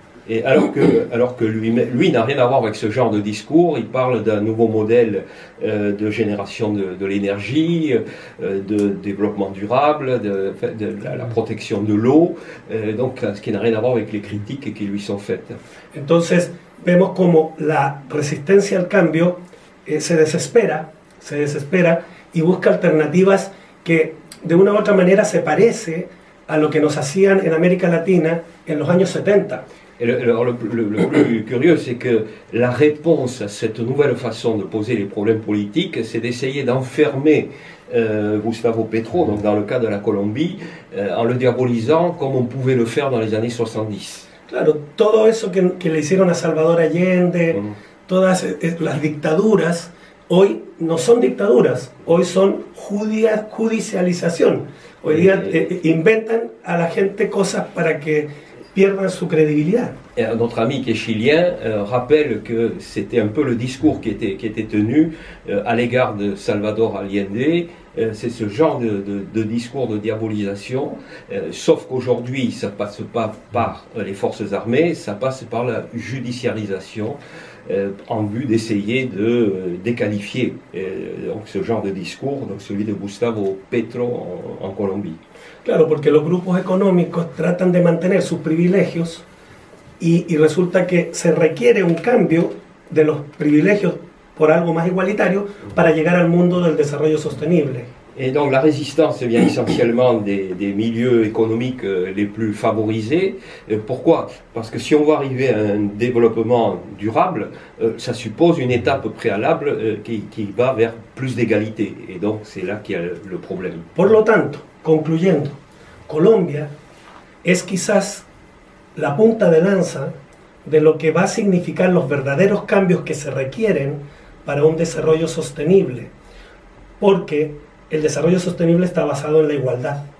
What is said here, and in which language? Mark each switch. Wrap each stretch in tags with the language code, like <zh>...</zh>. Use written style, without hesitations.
<fr>Et alors que lui n'a rien à voir avec ce genre de discours, il parle d'un nouveau modèle de génération de l'énergie, de développement durable, de la protection de l'eau, donc ce qui n'a rien à voir avec les critiques qui lui sont faites.</fr> <es>Entonces vemos como la resistencia al cambio se desespera y busca alternativas que de una u otra manera se parece a lo que nos hacían en América Latina en los años 70.</es> <fr>Le plus curieux, c'est que la réponse à cette nouvelle façon de poser les problèmes politiques, c'est d'essayer d'enfermer Gustavo Petro, donc dans le cas de la Colombie, en le diabolisant comme on pouvait le faire dans les années 70.</fr> <es>Claro, todo eso que le hicieron a Salvador Allende, todas las dictaduras, hoy no son dictaduras, hoy son judicialización. Hoy día inventan a la gente cosas para que pierdan su credibilidad.</es> <fr>Et notre ami qui est chilien rappelle que c'était un peu le discours qui était tenu à l'égard de Salvador Allende. C'est ce genre de discours de diabolisation, sauf qu'aujourd'hui ça passe pas par les forces armées, ça passe par la judiciarisation en vue d'essayer de déqualifier donc ce genre de discours, donc celui de Gustavo Petro en Colombie.</fr> <es>Claro, porque los grupos económicos tratan de mantener sus privilegios y resulta que se requiere un cambio de los privilegios por algo más igualitario para llegar al mundo del desarrollo sostenible.</es> <fr>Et donc la résistance vient essentiellement des milieux économiques les plus favorisés. Pourquoi? Parce que si on veut arriver à un développement durable, ça suppose une étape préalable qui va vers plus d'égalité. Et donc c'est là qu'il y a le problème.</fr> <es>Por lo tanto, concluyendo, Colombia es quizás la punta de lanza de lo que va a significar los verdaderos cambios que se requieren para un desarrollo sostenible, porque el desarrollo sostenible está basado en la igualdad.</es>